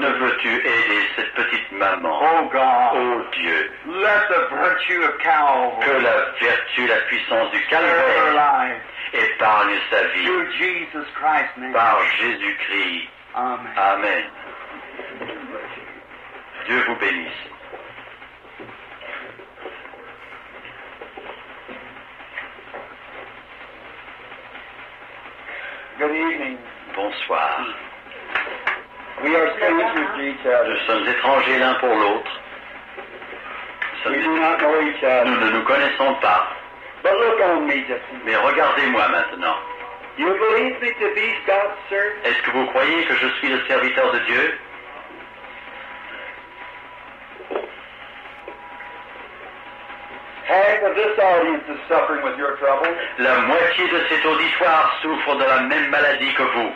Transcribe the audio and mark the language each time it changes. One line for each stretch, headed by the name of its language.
French: Ne veux-tu aider cette petite maman?
English: Oh God,
French: oh Dieu,
English: let the virtue of Calvary.
French: Que la vertu, la puissance du Calvaire. Épargne sa vie
English: through Jesus Christ,
French: par Jésus-Christ.
English: Amen.
French: Amen. Dieu vous bénisse.
English: Good evening.
French: Bonsoir.
English: We are strangers to each other.
French: Nous sommes étrangers l'un pour l'autre. Nous ne nous connaissons pas.
English: But look on me just now.
French: Mais regardez-moi maintenant.
English: You believe me to be God's servant?
French: Est-ce que vous croyez que je suis le serviteur de Dieu?
English: Half of this audience is suffering with your trouble.
French: La moitié de cet auditoire souffre de la même maladie que vous.